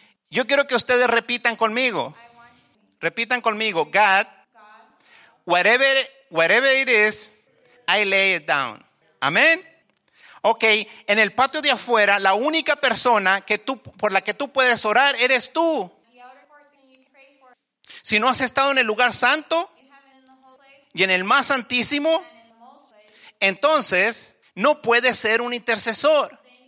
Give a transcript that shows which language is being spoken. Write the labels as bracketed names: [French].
[Spanish] Yo quiero que ustedes repitan conmigo. Repitan conmigo. [English] God, whatever it is, I lay it down. [Spanish] Amén. Ok, en el patio de afuera, la única persona que tú, por la que tú puedes orar eres tú. Si no has estado en el lugar santo y en el más santísimo, entonces no puedes ser un intercesor.